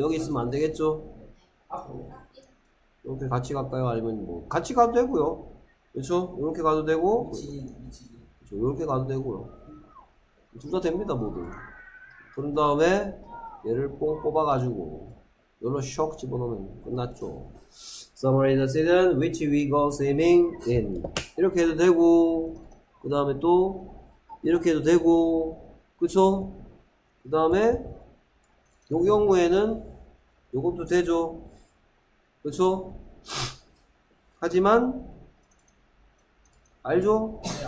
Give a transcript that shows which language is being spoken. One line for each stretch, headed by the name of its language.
Korean: 여기 있으면 안 되겠죠? 이렇게 같이 갈까요? 아니면 뭐 같이 가도 되고요. 그렇죠? 이렇게 가도 되고 그렇죠. 이렇게 가도 되고요. 둘 다 됩니다. 모두. 그런 다음에 얘를 뽕 뽑아가지고 여기로 쇽 집어넣으면 끝났죠.
English: Summer is the season which we go swimming in.
Korean: 이렇게 해도 되고 그 다음에 또 이렇게 해도 되고 그쵸? 그 다음에 이 경우에는 이것도 되죠. 그쵸? 하지만 알죠?